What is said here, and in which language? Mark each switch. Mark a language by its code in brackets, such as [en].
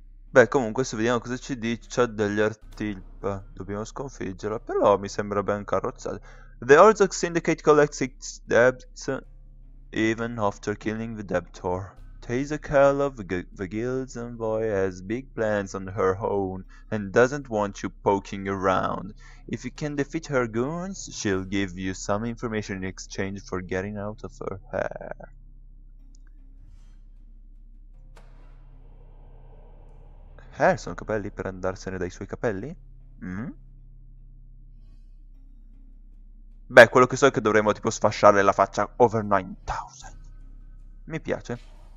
[it] Beh, comunque, se vediamo cosa ci dice degli Artilp. Dobbiamo sconfiggerla. Però mi sembra ben carrozzata. [en] The Orzhov Syndicate collects its debts even after killing the debtor. Tazer Kell of the Guild's envoy has big plans on her own and doesn't want you poking around. If you can defeat her goons, she'll give you some information in exchange for getting out of her hair. [it] Hair sono capelli per andarsene dai suoi capelli? Beh, quello che so è che dovremmo tipo sfasciarle la faccia [en] over 9000. [it] Mi piace.